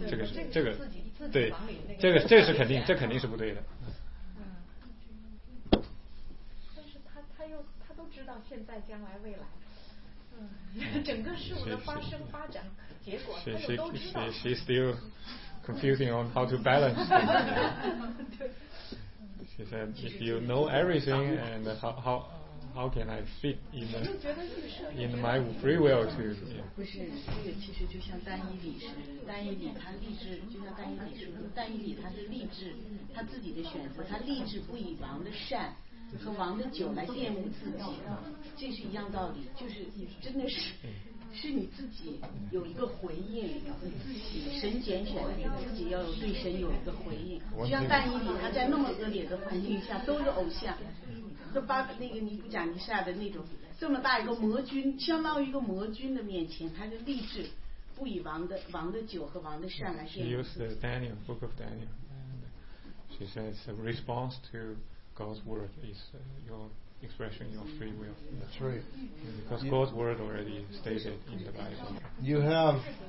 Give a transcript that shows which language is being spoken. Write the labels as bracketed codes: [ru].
[zh] 这个是这个，对，这个是肯定，这肯定是不对的。但是他都知道现在、将来、未来，整个事物的发生、发展、结果，他都知道。 [en] She still confusing on how to balance. [zh] 对。 [en] She said, if you know everything, and how can I fit in my free will to? [zh] 不是，这个其实就像丹伊里是，丹伊里他立志，就像丹伊里说，丹伊里他是立志，他自己的选择，他立志不以王的膳和王的酒来玷污自己，这是一样道理，就是真的是是你自己有一个回应，你自己神拣选你自己要有对神有一个回应，就像但以理他在那么恶劣的环境下都是偶像，和巴那个尼布甲尼撒的那种这么大一个魔君，相当于一个魔君的面前，他就立志不以王的酒和王的膳来献祭。 [en] He used the Daniel, Book of Daniel, and she says a response to God's word is your expression, your free will. That's right. Because God's word already stated in the Bible.